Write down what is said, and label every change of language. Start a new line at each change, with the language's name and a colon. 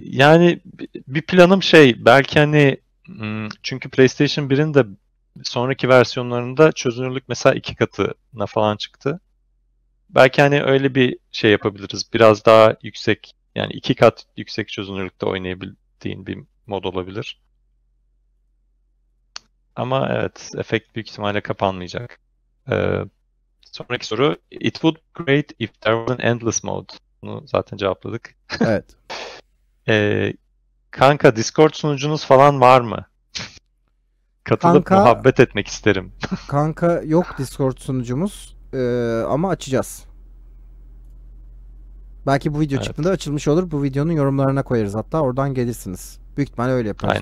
Turkish: Yani bir planım şey, belki hani çünkü PlayStation 1'in de sonraki versiyonlarında çözünürlük mesela iki katına falan çıktı. Belki hani öyle bir şey yapabiliriz. Biraz daha yüksek, yani iki kat yüksek çözünürlükte oynayabildiğin bir mod olabilir. Ama evet, efekt büyük ihtimalle kapanmayacak. Sonraki soru.
English: It would be great if there was an endless mode.
Turkish: Evet. Zaten cevapladık. kanka, Discord sunucunuz falan var mı? Katılıp Kanka muhabbet etmek isterim. yok Discord sunucumuz ama açacağız. Belki bu video çıktığında Evet. açılmış olur. Bu videonun yorumlarına koyarız hatta oradan gelirsiniz. Büyük ihtimalle öyle yaparız.